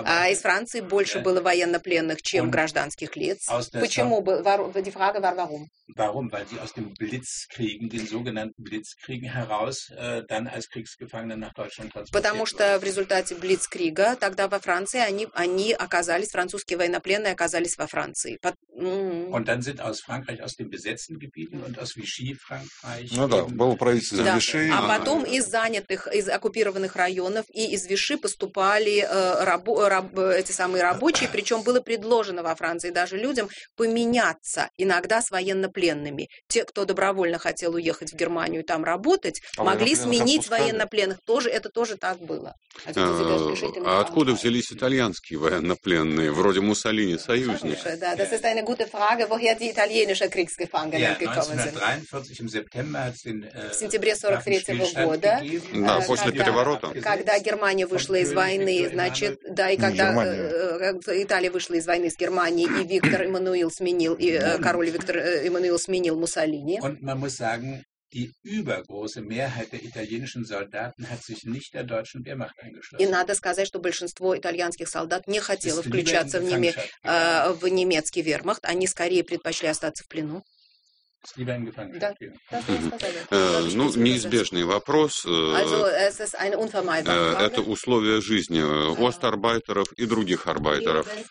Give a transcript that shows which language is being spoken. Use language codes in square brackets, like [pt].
[ru] Из Франции больше было военнопленных, чем гражданских лиц. Почему? [de] Die Frage war, warum? Warum? Weil sie aus dem Blitzkriegen, den sogenannten Blitzkriegen heraus, dann als Kriegsgefangene nach Deutschland transportiert wurden. [ru] Потому что в результате Блицкрига тогда во Франции они оказались, французские военнопленные оказались во Франции. [de] Und dann sind aus Frankreich, aus den besetzten Gebieten und aus Vichy Frankreich. [ru] Ну да, было правительство Виши. А потом из занятых, из оккупированных районов и из Виши поступали эти самые рабочие, причем было предложено во Франции даже людям поменяться иногда с военнопленными. Те, кто добровольно хотел уехать в Германию там работать, могли сменить военнопленных. Тоже, это тоже так было. А откуда взялись итальянские военнопленные? Вроде Муссолини союзник. [de] Das ist eine gute Frage, woher die italienischen Kriegsgefangenen gekommen sind. 1943 im September hat es den [ru] в сентябре 43-го года, да, после переворота, когда Германия вышла из войны, значит, да, и когда Италия вышла из войны с Германией, и Виктор Эммануил сменил, и король Виктор Эммануил сменил Муссолини. [de] Die übergroße Mehrheit der italienischen Soldaten hat sich nicht der deutschen Wehrmacht angeschlossen. [ru] И надо сказать, что большинство итальянских солдат не хотело включаться в немецкий вермахт, они скорее предпочли остаться в плену. Ну, неизбежный вопрос. Это условия жизни остарбайтеров и других арбайтеров.